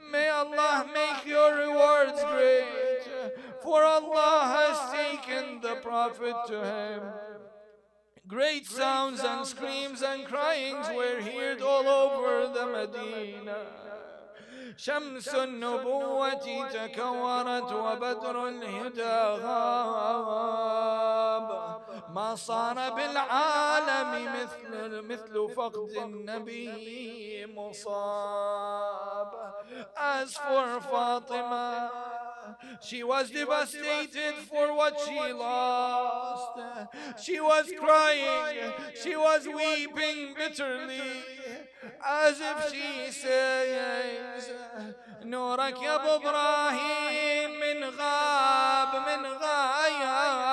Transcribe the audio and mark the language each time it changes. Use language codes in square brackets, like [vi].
[en] May Allah make your rewards great, for Allah has taken the Prophet to him. Great sounds and screams and cryings were heard all over the Medina. [ar] شمس النبوة تكورت وبدر الهدى غاب ما صار بالعالم مثل فقد النبي مصاب. [en] As for Fatima, she was devastated for what she lost. She was crying, she was weeping bitterly, as if she says, [ar] "نورك يا أبو إبراهيم من غاب من غياب